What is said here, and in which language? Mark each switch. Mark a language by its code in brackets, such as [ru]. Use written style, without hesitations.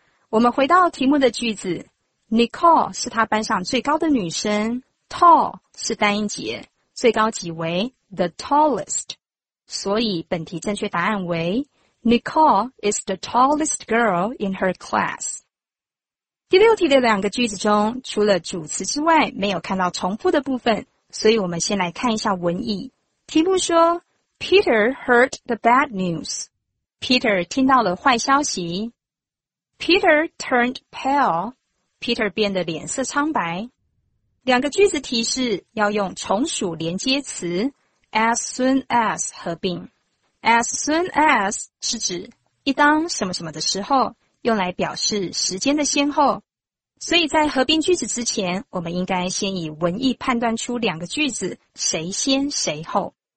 [zh] 我们回到题目的句子， Nicole 是她班上最高的女生，Tall 是单音节，最高级为 the tallest， 所以本题正确答案为 [en] Nicole is the tallest girl in her class。 [zh] 第六题的两个句子中，除了主词之外没有看到重复的部分，所以我们先来看一下文意。题目说 [en] Peter heard the bad news. [zh] Peter 听到了坏消息。 [en] Peter turned pale. [zh] Peter 变得脸色苍白。两个句子提示要用从属连接词 as soon as 合并。 as soon as 是指一当什么什么的时候，用来表示时间的先后，所以在合并句子之前，我们应该先以文意判断出两个句子谁先谁后。